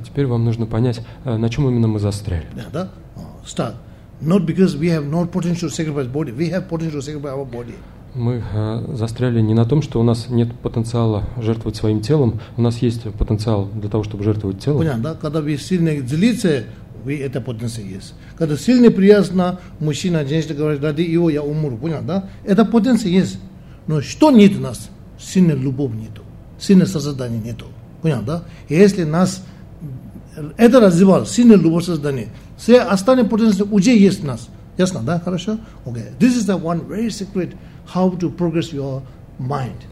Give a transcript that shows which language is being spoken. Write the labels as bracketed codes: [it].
[ru] Теперь вам нужно понять, на чем именно мы застряли. Понятно, да? Stuck. [en] Not because we have no potential to sacrifice body. We have potential to sacrifice our body. [ru] Мы застряли не на том, что у нас нет потенциала жертвовать своим телом. У нас есть потенциал для того, чтобы жертвовать телом. Понятно, да? Когда вы сильно злитесь, вы это потенция есть. Когда сильно приязна мужчина, женщина говорит, ради его я умру, понял, да? Это потенция есть. Но что нет у нас? Сильной любовь нету, сильное создание нету, понял, да? И если нас это развивало, сильное любовь создание, все остальные потенции уже есть у нас. Ясно, да? Хорошо? Okay. [en] This is the one very secret how to progress your mind.